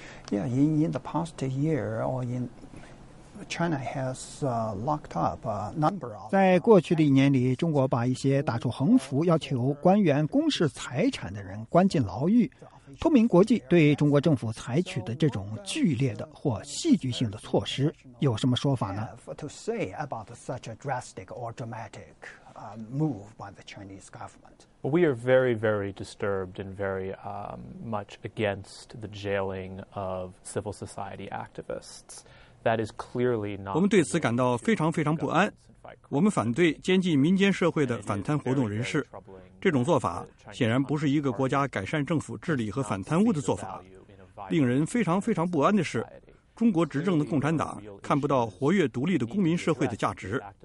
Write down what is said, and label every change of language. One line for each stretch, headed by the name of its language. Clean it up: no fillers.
English: Yeah, in the past year or in China has locked up a number of.
Chinese: 在过去的一年里，中国把一些打出横幅要求官员公示财产的人关进牢狱。透明国际对中国政府采取的这种剧烈的或戏剧性的措施有什么说法呢？
English: To say about such a drastic or dramatic move by the Chinese government. We are very, very disturbed and very much against the jailing of civil society activists. That is clearly not.
Chinese: 我们对此感到非常非常不安。我们反对监禁民间社会的反贪活动人士，这种做法显然不是一个国家改善政府治理和反贪污的做法。令人非常非常不安的是，中国执政的共产党看不到活跃独立的公民社会的价值。